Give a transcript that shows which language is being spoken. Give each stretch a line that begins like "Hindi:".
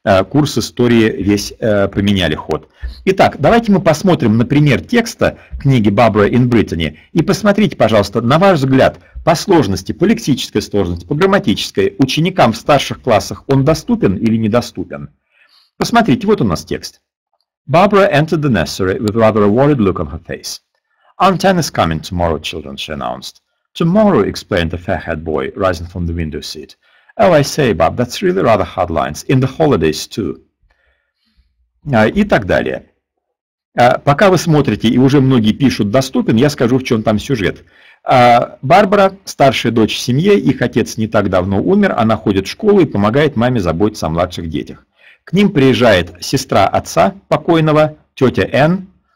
Russian: Курс истории весь поменяли ход. Итак, давайте мы посмотрим, например, текста книги «Barbara in Brittany». И посмотрите, пожалуйста, на ваш взгляд, по сложности, по лексической сложности, по грамматической, ученикам в старших классах он доступен или недоступен? Посмотрите, вот у нас текст.
English: «Barbara entered the nursery with rather a worried look on her face. Aunt Anne is coming tomorrow, children, she announced. Tomorrow, explained the fair-haired boy, rising from the window seat. Oh, I say, Bob, that's really rather hard lines. In the holidays, too.
Russian: И так далее. Пока вы смотрите, и уже многие пишут «доступен», я скажу, в чем там сюжет. Барбара – старшая дочь в семье, их отец не так давно умер, она ходит в школу и помогает маме заботиться о младших детях. К ним приезжает сестра отца покойного, тетя Энн.